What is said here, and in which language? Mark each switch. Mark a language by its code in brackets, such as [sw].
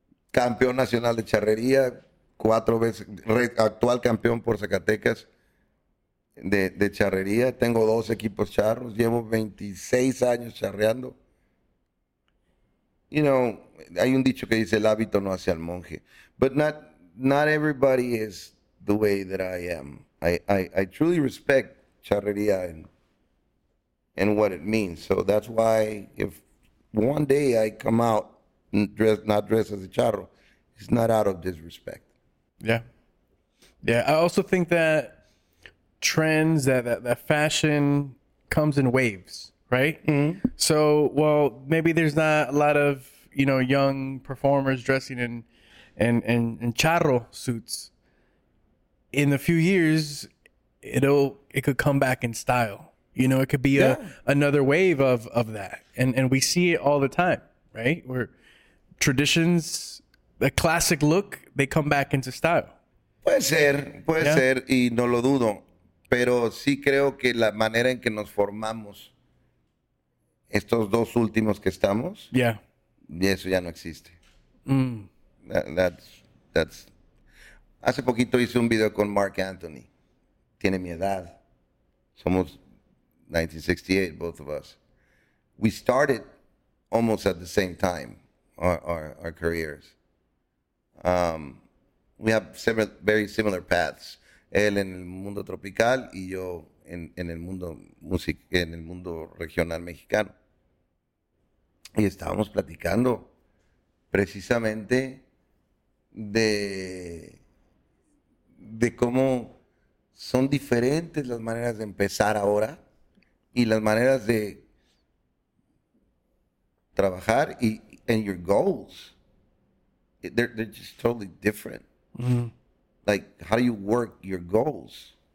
[es] Campeón nacional de charrería, 4 veces, actual campeón por Zacatecas. De charrería, tengo 2 equipos charros, llevo 26 años charreando. [en] You know, [es] hay un dicho que dice, el hábito no hace al monje. [en] But not everybody is the way that I am. I truly respect charrería and what it means. So that's why if one day I come out not dressed as a charro, it's not out of disrespect. Yeah. Yeah, I also think that trends, that fashion comes in waves, right? Mm-hmm. So, well, maybe there's not a lot of, you know, young performers dressing in charro suits. In a few years, it could come back in style. You know, it could be another wave of that. And we see it all the time, right? Where traditions, the classic look, they come back into style. [es] Puede ser, y no lo dudo. Pero sí creo que la manera en que nos formamos estos dos últimos que estamos, [en] yeah, [es] y eso ya no existe. Mm. That's hace poquito hice un video con Mark Anthony. Tiene mi edad. Somos 1968, [en] both of us. We started almost at the same time our careers. We have several very similar paths. [es] Él en el mundo tropical y yo en el mundo music, en el mundo regional mexicano. Y estábamos platicando precisamente de cómo son diferentes las maneras de empezar ahora y las maneras de trabajar y [en] and your goals. They're just totally different. Mm-hmm. Like, how do you work your goals?